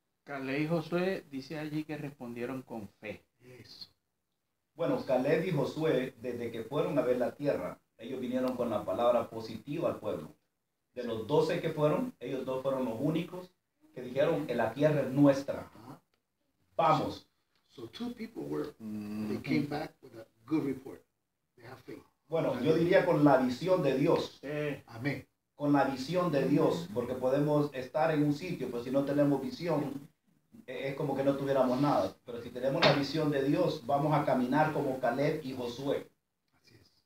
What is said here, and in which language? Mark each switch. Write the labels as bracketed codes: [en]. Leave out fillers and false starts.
[es] Caleb y Josué dice allí que respondieron con fe. Eso. Bueno, Caleb y Josué, desde que fueron a ver la tierra, ellos vinieron con la palabra positiva al pueblo. De los 12 que fueron, ellos dos fueron los únicos que dijeron que la tierra es nuestra. Vamos. [en] So two people were, they came back with a good report. They have faith. [es] Bueno, yo diría con la visión de Dios. Amén. Con la visión de Dios, porque podemos estar en un sitio, pero si no tenemos visión, es como que no tuviéramos nada. Pero si tenemos la visión de Dios, vamos a caminar como Caleb y Josué. Así es.